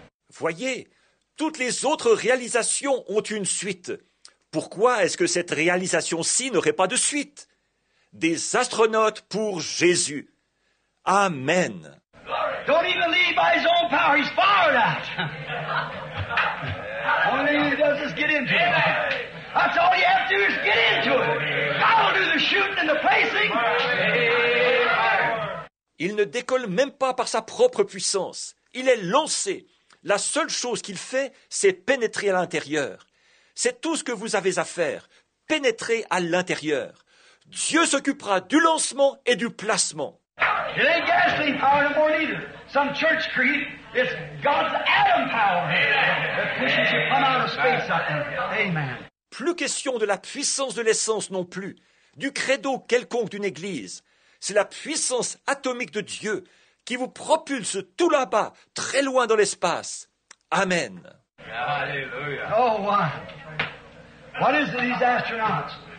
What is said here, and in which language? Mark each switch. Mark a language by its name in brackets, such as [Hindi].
[French] Voyez, toutes les autres réalisations ont une suite. Pourquoi est-ce que cette réalisation-ci n'aurait pas de suite? Des astronautes pour Jésus. Amen. [English] Don't even leave by his own power. He's far out. All he does is get into it. That's all you have to do is get into it. I will do the shooting and the placing. [French] Il ne décolle même pas par sa propre puissance. Il est lancé. La seule chose qu'il fait, c'est pénétrer à l'intérieur. C'est tout ce que vous avez à faire. Pénétrer à l'intérieur. Dieu s'occupera du lancement et du placement. [English] It ain't gasoline power no more neither. Some church creed. It's God's atom power. Amen. That pushes you from out of space out there. Amen. [French] Plus question de la puissance de l'essence non plus, du credo quelconque d'une église. C'est la puissance atomique de Dieu qui vous propulse tout là-bas, très loin dans l'espace. Amen. Alléluia. [English] Oh, what is it, these astronauts?